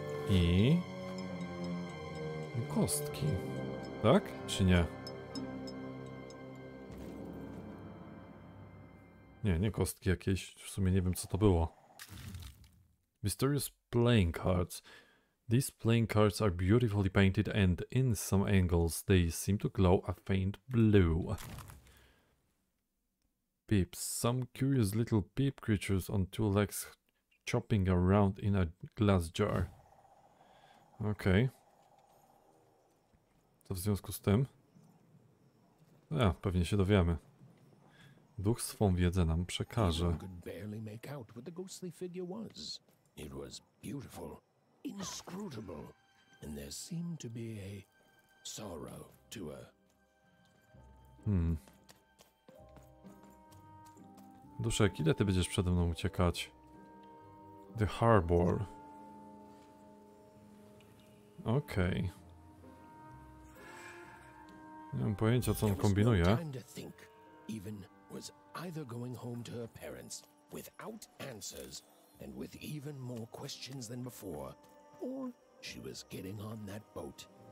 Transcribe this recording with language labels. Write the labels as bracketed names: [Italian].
[Polish] I... kostki. Tak? Czy nie? Nie kostki jakieś. W sumie nie wiem co to było. [English] Mysterious playing cards. These playing cards are beautifully painted and in some angles they seem to glow a faint blue. Peeps. Some curious little peep creatures on two legs chopping around in a glass jar. Okay. [Polish] Co w związku z tym? Ja, pewnie się dowiemy. Duch swą wiedzę nam przekaże. [English] Could barely make out what the ghostly figure was. It was beautiful, inscrutable, and there seemed to be a sorrow to her. [Polish] Duszek, ile ty będziesz przede mną uciekać? The Harbor. Okej. Okay. Nie mam pojęcia, co on kombinuje. [English] There was no time to think. Even was either going home to her parents without answers, and with even more questions than before, or she was getting on that boat.